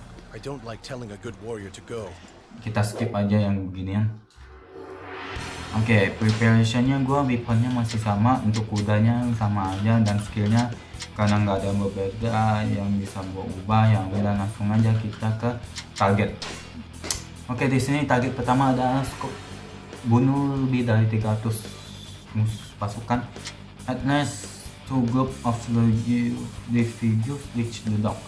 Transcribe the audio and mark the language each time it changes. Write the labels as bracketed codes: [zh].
[en] I don't like telling a good warrior to go. [id] Kita skip aja yang beginian. Oke, okay, preparation-nya gua weapon-nya masih sama, untuk kudanya sama aja dan skill-nya karena enggak ada yang berbeda yang bisa gua ubah, yang beda langsung aja kita ke target. Oke, okay, di sini target pertama adalah scope bunuh lebih dari 300 musuh pasukan. [en] At least two group of individuals reach the dock.